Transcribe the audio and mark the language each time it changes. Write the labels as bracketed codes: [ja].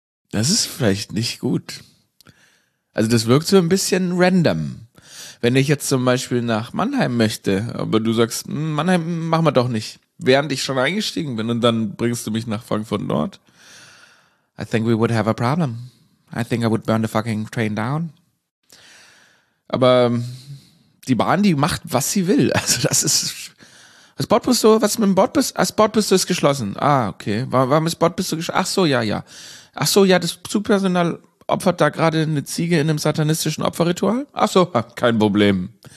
[de] Das ist vielleicht nicht gut. Also das wirkt so ein bisschen random. Wenn ich jetzt zum Beispiel nach Mannheim möchte, aber du sagst, Mannheim machen wir doch nicht, während ich schon eingestiegen bin und dann bringst du mich nach Frankfurt Nord. [en] I think we would have a problem. I think I would burn the fucking train down. [de] Aber die Bahn, die macht, was sie will. Also das ist... Das Bordbistro, was mit dem Bordbistro? Das Bordbistro ist geschlossen. Ah, okay. Warum ist Bordbistro geschlossen? Ach so, ja. Ach so, ja, das Zugpersonal opfert da gerade eine Ziege in einem satanistischen Opferritual? Ach so, kein Problem.